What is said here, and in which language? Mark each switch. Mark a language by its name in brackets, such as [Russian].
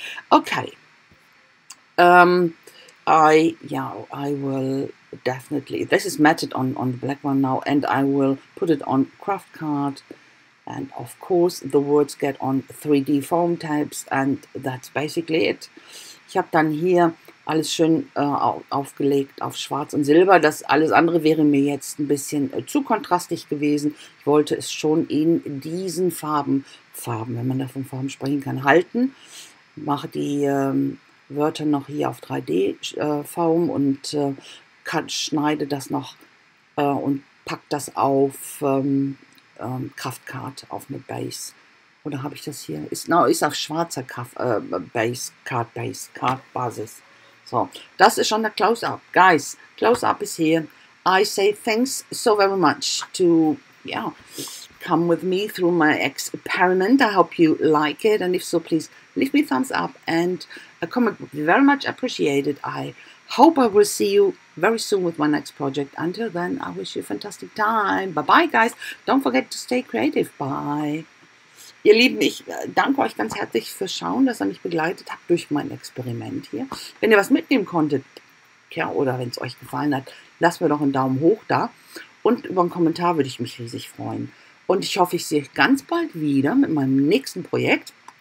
[English] Okay, I will definitely, this is matted on the black one now, and I will put it on craft card, and of course the words get on 3D foam tabs, and that's basically it. [German] Ich habe dann hier alles schön aufgelegt auf Schwarz und Silber, das alles andere wäre mir jetzt ein bisschen zu kontrastig gewesen. Ich wollte es schon in diesen Farben, wenn man da von Farben sprechen kann, halten. Mache die Wörter noch hier auf 3D-Foam und schneide das noch und pack das auf Kraftcard auf eine Base. Oder habe ich das hier? Ist auf schwarzer Card-Basis. So, das ist schon der Close-Up. [English] Guys, Close-Up is here. I say thanks so very much to, yeah, come with me through my experiment. I hope you like it. And if so, please leave me a thumbs up and a comment would be very much appreciated. I hope I will see you very soon with my next project. Until then, I wish you a fantastic time. Bye-bye, guys. Don't forget to stay creative. Bye. [German] Ihr Lieben, ich danke euch ganz herzlich fürs Schauen, dass ihr mich begleitet habt durch mein Experiment hier. Wenn ihr was mitnehmen konntet, ja, oder wenn es euch gefallen hat, lasst mir doch einen Daumen hoch da. Und über einen Kommentar würde ich mich riesig freuen. Und ich hoffe, ich sehe euch ganz bald wieder mit meinem nächsten Projekt.